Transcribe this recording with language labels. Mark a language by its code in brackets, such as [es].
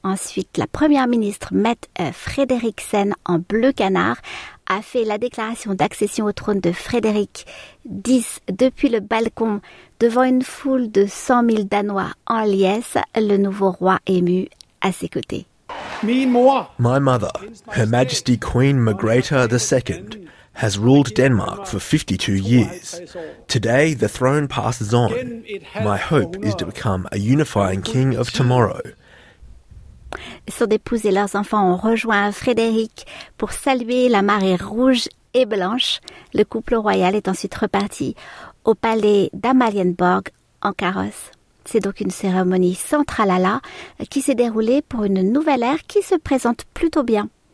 [fr] Ensuite, la première ministre Mette Frederiksen, en bleu canard, a fait la déclaration d'accession au trône de Frédéric X depuis le balcon devant une foule de 100 000 Danois en liesse, le nouveau roi ému à ses côtés. [en] My mother, Her Majesty Queen Margrethe II, has ruled Denmark for 52 years. Today, the throne passes on. My hope is to become a unifying king of tomorrow. [fr] Son épouse et leurs enfants ont rejoint Frédéric pour saluer la marée rouge et blanche. Le couple royal est ensuite reparti au palais d'Amalienborg en carrosse. C'est donc une cérémonie sans tralala qui s'est déroulée pour une nouvelle ère qui se présente plutôt bien.